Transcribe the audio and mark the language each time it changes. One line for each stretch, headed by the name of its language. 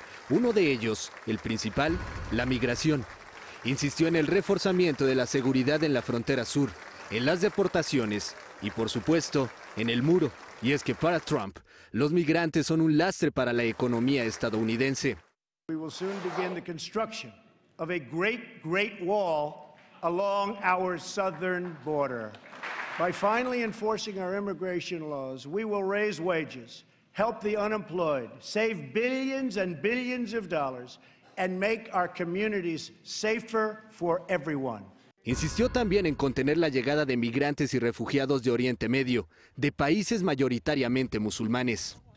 Spanish: Uno de ellos, el principal, la migración. Insistió en el reforzamiento de la seguridad en la frontera sur, en las deportaciones y, por supuesto, en el muro. Y es que para Trump, los migrantes son un lastre para la economía estadounidense.
English: We will soon begin the construction of a great, great wall along our southern border. By finally enforcing our immigration laws, we will raise wages, help the unemployed, save billions and billions of dollars, and make our communities safer for everyone.
Spanish: Insistió también en contener la llegada de migrantes y refugiados de Oriente Medio, de países mayoritariamente musulmanes.